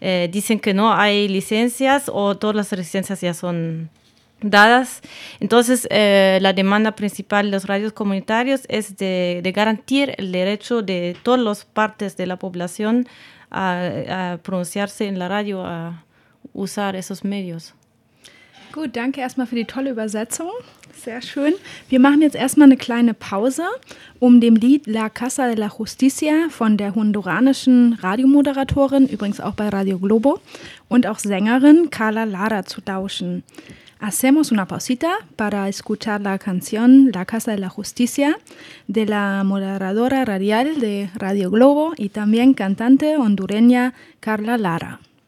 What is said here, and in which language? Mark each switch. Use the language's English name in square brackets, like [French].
[Spanish] Dicen que no hay licencias o todas las licencias ya son dadas. Entonces, la demanda principal de los radios comunitarios es de garantizar el derecho de todas las partes de la población a pronunciarse en la radio, a usar esos medios. [German] Gut, danke erstmal für die tolle Übersetzung. Sehr schön. Wir machen jetzt erstmal eine kleine Pause, um dem Lied La Casa de la Justicia von der honduranischen Radiomoderatorin, übrigens auch bei Radio Globo, und auch Sängerin Carla Lara zu lauschen. [Spanish] Hacemos una pausita para escuchar la canción La Casa de la Justicia de la moderadora radial de Radio Globo y también cantante hondureña Carla Lara.